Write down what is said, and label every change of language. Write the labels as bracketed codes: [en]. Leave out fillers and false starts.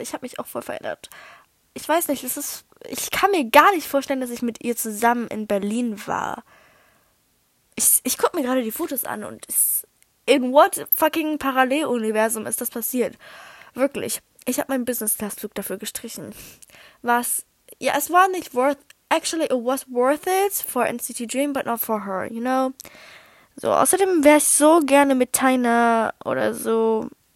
[de] Ich habe mich auch voll verändert. Ich weiß nicht, ich kann mir gar nicht vorstellen, dass ich mit ihr zusammen in Berlin war. Ich gucke mir gerade die Fotos an und in [en] what fucking [de] Paralleluniversum ist das passiert? Wirklich. Ich habe meinen Business-Class-Flug dafür gestrichen. Es war nicht [en] worth it. Actually, it was worth it for NCT Dream, but not for her, you know? [de] So, außerdem wäre ich so gerne mit Taina oder so.